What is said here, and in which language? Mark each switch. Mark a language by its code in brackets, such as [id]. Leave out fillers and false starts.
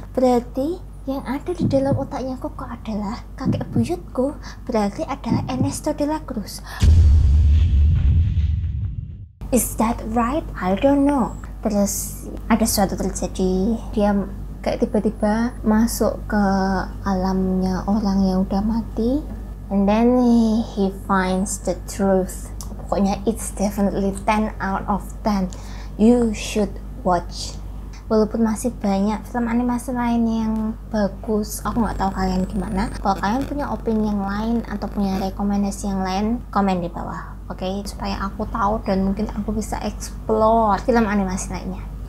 [id] Berarti yang ada di dalam otaknya Coco adalah kakek buyutku berarti adalah Ernesto de la Cruz. [en] Is that right? I don't know. [id] Terus ada sesuatu terjadi. Dia kayak tiba-tiba masuk ke alamnya orang yang udah mati. [en] And then he finds the truth. [id] Pokoknya [en] it's definitely 10 out of 10. You should watch. [id] Walaupun masih banyak film animasi lain yang bagus, aku gak tahu kalian gimana. Kalau kalian punya opini yang lain atau punya rekomendasi yang lain, komen di bawah. Oke, okay? Supaya aku tahu dan mungkin aku bisa explore film animasi lainnya.